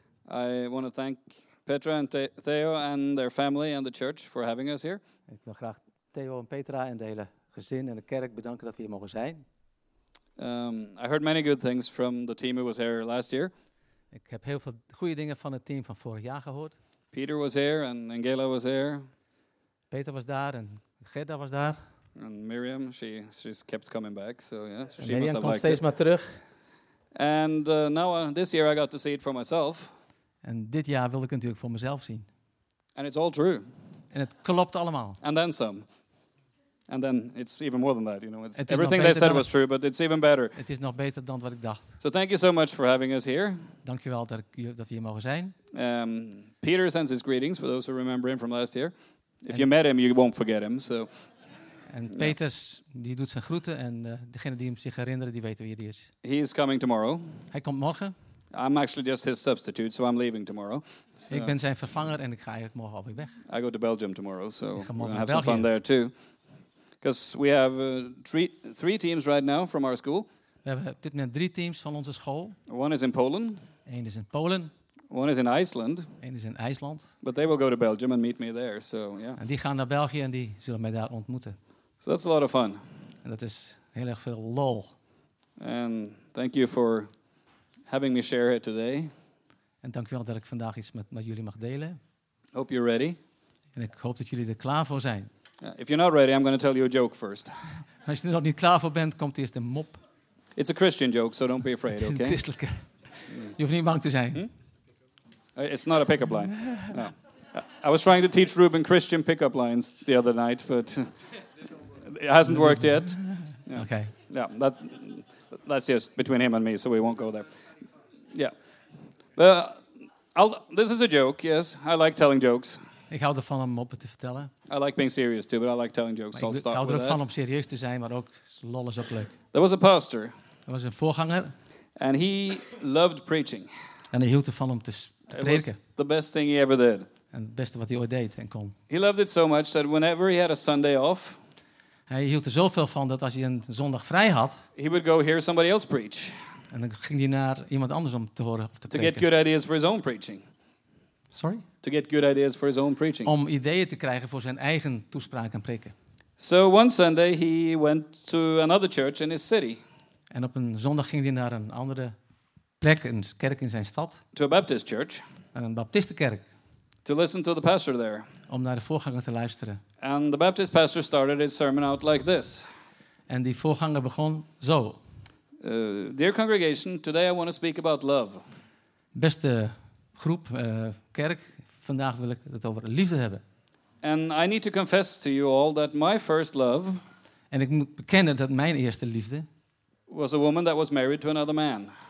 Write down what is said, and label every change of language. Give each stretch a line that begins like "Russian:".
English: I want to thank Petra and Theo and their family and the church for having us here.
Dutch: Ik wil graag Theo en Petra en de hele gezin en de kerk bedanken dat we hier mogen zijn.
English: I heard many good things from the team who was here last year.
Dutch: Ik heb heel veel goede dingen van het team van vorig jaar gehoord.
English: Peter was here and Angela was there.
Dutch: Peter was daar en Gerda was daar.
English: And Miriam, she's kept coming back, so yeah, so she Miriam must have liked steeds it.
Dutch: Maar terug.
English: And this year I got to see it for myself.
Dutch: En dit jaar wil ik natuurlijk voor mezelf zien.
English: And it's all true. En het klopt allemaal. And then some. And then it's even more than that, you know. It's everything they said was true, but it's even better.
Dutch: Het is nog beter dan wat ik dacht.
English: So thank you so much for having us here.
Dutch: Dankjewel dat we hier mogen zijn.
English: Peter sends his greetings for those who remember him from last year. If you met him, you won't forget him, so...
Dutch: En Peters, die doet zijn groeten en degene die hem zich herinneren, die weten wie hij is.
English: He is coming tomorrow.
Dutch: Hij komt morgen.
English: I'm actually just his substitute, so I'm leaving tomorrow. So
Dutch: ik ben zijn vervanger en ik ga eigenlijk morgen alweer weg.
English: I go to Belgium tomorrow, so we're gonna have some fun there too. Because we have three teams right now from our school.
Dutch: We hebben op dit moment drie teams van onze school.
English: One is in Poland.
Dutch: Eén is in Polen.
English: One is in Iceland.
Dutch: Eén is in IJsland.
English: But they will go to Belgium and meet me there, so yeah.
Dutch: En die gaan naar België en die zullen mij daar ontmoeten.
English: So that's a lot of fun.
Dutch: En dat is heel erg veel lol.
English: And thank you for having me share it today.
Dutch: En dankjewel dat ik vandaag iets met jullie mag delen.
English: Hope you're ready.
Dutch: En ik hoop dat jullie er klaar voor zijn.
English: Yeah, if you're not ready, I'm going to tell you a joke first.
Dutch: Als je er nog niet klaar voor bent, komt eerst een mop.
English: It's a Christian joke, so don't be afraid, okay?
Dutch: Het is een christelijke. Je hoeft niet bang te zijn.
English: It's not a pickup line. No. I was trying to teach Ruben Christian pickup lines the other night, but... It hasn't worked yet. Yeah. Okay. Yeah, that's just between him and me, so we won't go there. Yeah. This is a joke, yes. I like telling jokes.
Dutch: Ik hou ervan om moppen te vertellen.
English: I like being serious too, but I like telling jokes.
Dutch: Maar
English: I'll start with
Dutch: that. Ik hou ervan om serieus te zijn, maar ook lol is ook leuk.
English: There was a pastor.
Dutch: Er was een voorganger.
English: And he loved preaching.
Dutch: En hij hield ervan om te preken.
English: It was the best thing he ever did.
Dutch: En het beste wat hij ooit deed en kon.
English: He loved it so much that whenever he had a Sunday off...
Dutch: Hij hield er zoveel van dat als hij een zondag vrij had...
English: He would go hear somebody else preach.
Dutch: En dan ging hij naar iemand anders om te horen of te preken.
English: To get good ideas for his own preaching. Sorry? To get good ideas for his own preaching.
Dutch: Om ideeën te krijgen voor zijn eigen toespraak en preken.
English: So one Sunday he went to another church in his city.
Dutch: En op een zondag ging hij naar een andere plek, een kerk in zijn stad.
English: To a Baptist church.
Dutch: Naar een baptistenkerk.
English: To listen to the pastor there.
Dutch: Om naar de voorganger te luisteren.
English: And the Baptist pastor started his sermon out like this.
Dutch: En die voorganger begon zo.
English: Dear congregation, today I want to speak about love.
Dutch: Beste groep, kerk, vandaag wil ik het over liefde hebben.
English: And I need to confess to you all that my first love...
Dutch: En ik moet bekennen dat mijn eerste liefde...
English: was a woman that was married to another man.